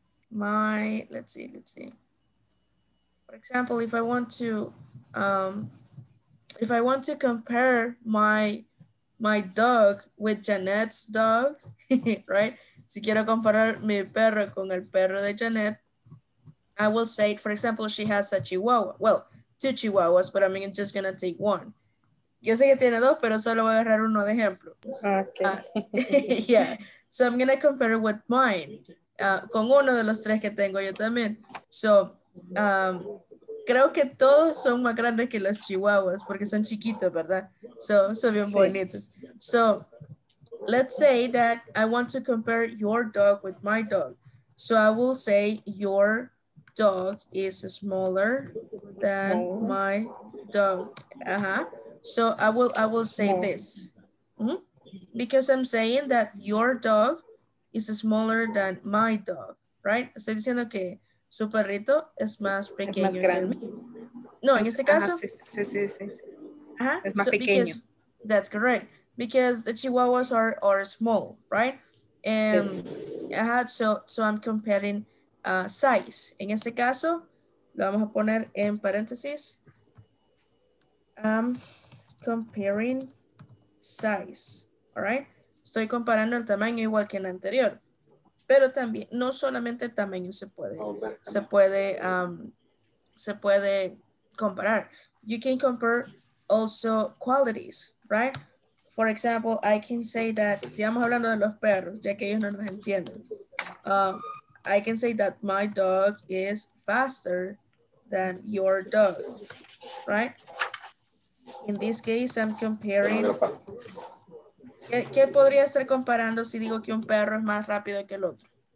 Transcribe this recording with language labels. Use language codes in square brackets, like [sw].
[en] Let's see. For example, if I want to compare my dog with Janet's dog, right? [es] Si quiero comparar mi perro con el perro de Janet, [en] I will say, for example, she has a chihuahua. Well, two chihuahuas, but I mean, I'm just gonna take one. [es] Yo sé que tiene dos, pero solo voy a agarrar uno de ejemplo. [en] Okay. yeah, so I'm gonna compare it with mine, [es] con uno de los tres que tengo yo también. So, creo que todos son más grandes que los chihuahuas, porque son chiquitos, ¿verdad? So, son bien bonitos. [en] So, let's say that I want to compare your dog with my dog. So I will say your dog is smaller than my dog. Uh-huh. So I will say this. Mm-hmm. Because I'm saying that your dog is smaller than my dog, right? [es] Estoy diciendo que su perrito es más pequeño. Es más grande. No, en este caso. Ajá, sí. Ajá. Es más pequeño. Because, [en] that's correct. Because the chihuahuas are small, right? Yes. Ajá, so I'm comparing size. [es] En este caso, lo vamos a poner en paréntesis. [en] Comparing size, all right? [es] Estoy comparando el tamaño igual que en el anterior. Pero también, no solamente tamaño se puede comparar. [en] You can compare also qualities, right? For example, I can say that, [es] si vamos hablando de los perros, ya que ellos no nos entienden. [en] I can say that my dog is faster than your dog, right? In this case, I'm comparing. [es] ¿Qué podría estar comparando si digo que un perro es más rápido que el otro?